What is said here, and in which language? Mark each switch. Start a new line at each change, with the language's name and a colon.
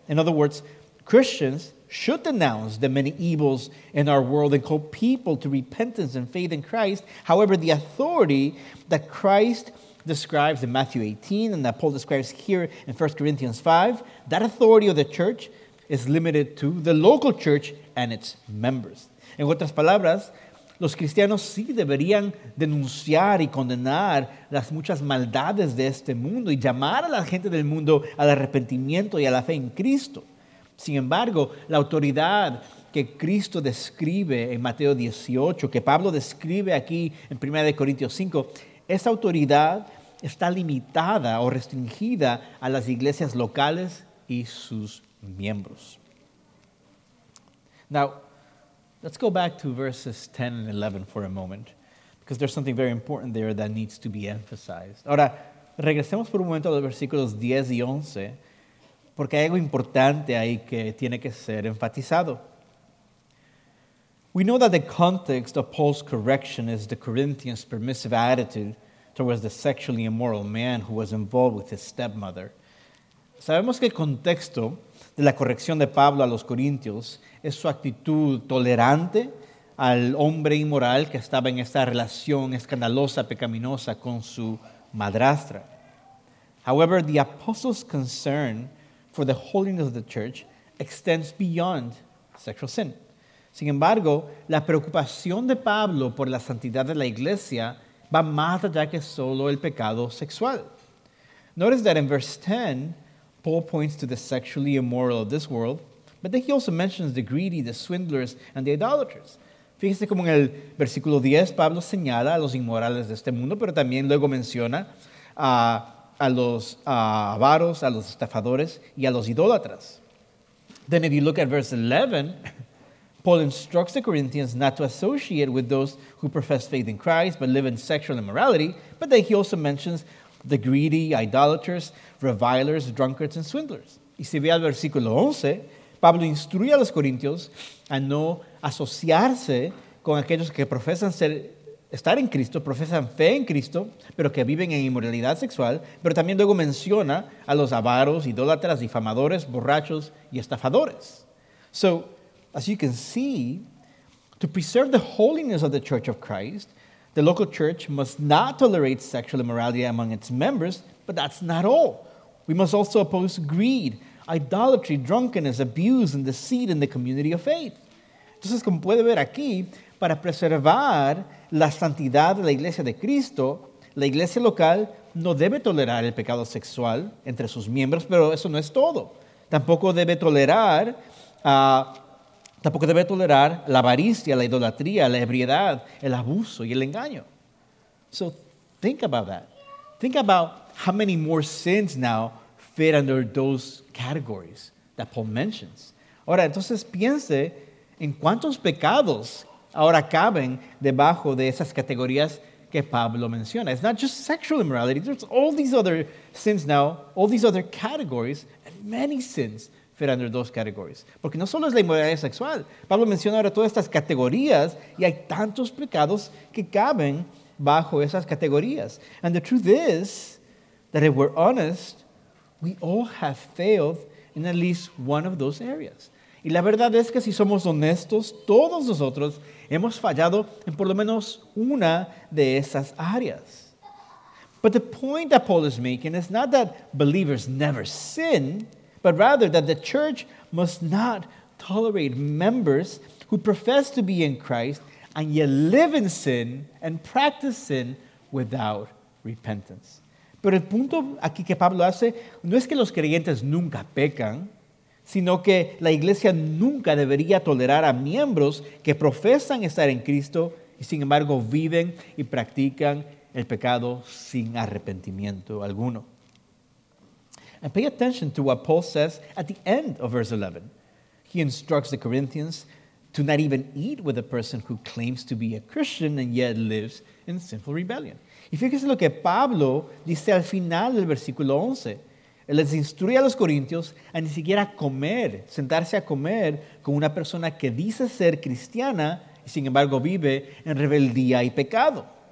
English: In other words, Christians should denounce the many evils in our world and call people to repentance and faith in Christ. However, the authority that Christ describes in Matthew 18 and that Paul describes here in 1 Corinthians 5, that authority of the church is limited to the local church and its members.
Spanish: En otras palabras, los cristianos sí deberían denunciar y condenar las muchas maldades de este mundo y llamar a la gente del mundo al arrepentimiento y a la fe en Cristo. Sin embargo, la autoridad que Cristo describe en Mateo 18, que Pablo describe aquí en 1 Corintios 5, esa autoridad está limitada o restringida a las iglesias locales y sus miembros.
English: Now, let's go back to verses 10 and 11 for a moment, because there's something very important there that needs to be emphasized.
Spanish: Ahora, regresemos por un momento a los versículos 10 y 11, porque hay algo importante ahí que tiene que ser enfatizado.
English: We know that the context of Paul's correction is the Corinthians' permissive attitude towards the sexually immoral man who was involved with his stepmother.
Spanish: Sabemos que el contexto de la corrección de Pablo a los corintios es su actitud tolerante al hombre inmoral que estaba en esta relación escandalosa, pecaminosa con su madrastra.
English: However, the apostle's concern for the holiness of the church extends beyond sexual sin.
Spanish: Sin embargo, la preocupación de Pablo por la santidad de la iglesia va más allá que solo el pecado sexual.
English: Notice that in verse 10, Paul points to the sexually immoral of this world, but then he also mentions the greedy, the swindlers, and the idolaters.
Spanish: Fíjese cómo en el versículo 10, Pablo señala a los inmorales de este mundo, pero también luego menciona a los avaros, a los estafadores, y a los idólatras.
English: Then if you look at verse 11, Paul instructs the Corinthians not to associate with those who profess faith in Christ, but live in sexual immorality, but then he also mentions the greedy, idolaters, revilers, drunkards, and swindlers.
Spanish: Y si ve al versículo 11, Pablo instruye a los corintios a no asociarse con aquellos que profesan estar en Cristo, profesan fe en Cristo, pero que viven en inmoralidad sexual, pero también luego menciona a los avaros, idólatras, difamadores, borrachos, y estafadores.
English: So, as you can see, to preserve the holiness of the Church of Christ, the local church must not tolerate sexual immorality among its members, but that's not all. We must also oppose greed, idolatry, drunkenness, abuse, and deceit in the community of faith.
Spanish: Entonces, como puede ver aquí, para preservar la santidad de la iglesia de Cristo, la iglesia local no debe tolerar el pecado sexual entre sus miembros, pero eso no es todo. Tampoco debe tolerar la avaricia, la idolatría, la ebriedad, el abuso y el engaño.
English: So think about that. Think about how many more sins now fit under those categories that Paul mentions.
Spanish: Ahora, entonces piense en cuántos pecados ahora caben debajo de esas categorías que Pablo menciona.
English: It's not just sexual immorality. There's all these other sins now, all these other categories, and many sins fit under those categories.
Spanish: Porque no solo es la inmoralidad sexual. Pablo menciona ahora todas estas categorías y hay tantos pecados que caben bajo esas categorías.
English: And the truth is that if we're honest, we all have failed in at least one of those areas.
Spanish: Y la verdad es que si somos honestos, todos nosotros hemos fallado en por lo menos una de esas áreas.
English: But the point that Paul is making is not that believers never sin, but rather that the church must not tolerate members who profess to be in Christ and yet live in sin and practice sin without repentance.
Spanish: Pero el punto aquí que Pablo hace no es que los creyentes nunca pecan, sino que la iglesia nunca debería tolerar a miembros que profesan estar en Cristo y sin embargo viven y practican el pecado sin arrepentimiento alguno.
English: And pay attention to what Paul says at the end of verse 11. He instructs the Corinthians to not even eat with a person who claims to be a Christian and yet lives in sinful rebellion.
Spanish: Y fíjese lo que Pablo dice al final del versículo 11. Él les instruye a los corintios a ni siquiera comer, sentarse a comer con una persona que dice ser cristiana y sin embargo vive en rebeldía y pecado.